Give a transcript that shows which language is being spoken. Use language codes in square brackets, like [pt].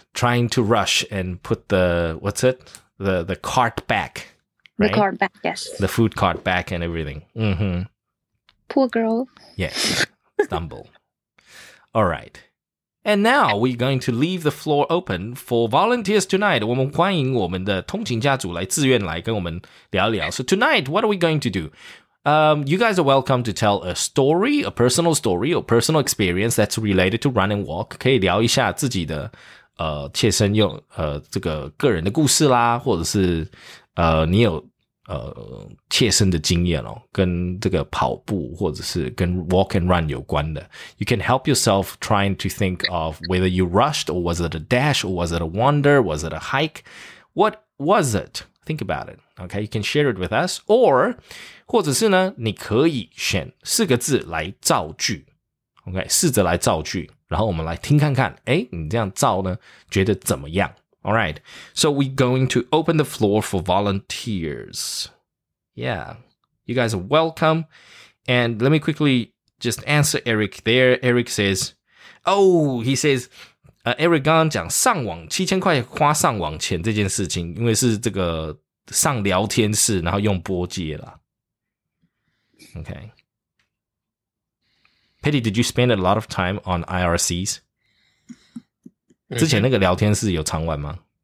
[en] Trying to rush and put the cart back. Right? The cart back, yes. The food cart back and everything. Mm-hmm. Poor girl. Yes. Stumble. All right. And now we're going to leave the floor open for volunteers tonight. [zh] 我们欢迎我们的通勤家族来自愿来跟我们聊聊。 [en] So tonight, what are we going to do? You guys are welcome to tell a story, a personal story or personal experience that's related to run and walk. [zh] 可以聊一下自己的切身用这个个人的故事啦，或者是你有切身的经验哦，跟这个跑步或者是跟 walk and run 有关的。 [en] You can help yourself trying to think of whether you rushed or was it a dash or was it a wander, was it a hike? What was it? Think about it. Okay, you can share it with us. [zh] Or, 或者是呢，你可以选四个字来造句。 Okay, 试着来造句，然后我们来听看看，诶，你这样造呢，觉得怎么样？ [en] Alright, so we're going to open the floor for volunteers. Yeah, you guys are welcome. And let me quickly just answer Eric there. [zh] Eric says, Eric 刚刚讲上网7000块花上网钱这件事情，因为是这个上聊天室，然后用波接了。 [en] Okay. Petty, did you spend a lot of time on IRCs? [zh] 之前那个聊天室有常玩吗？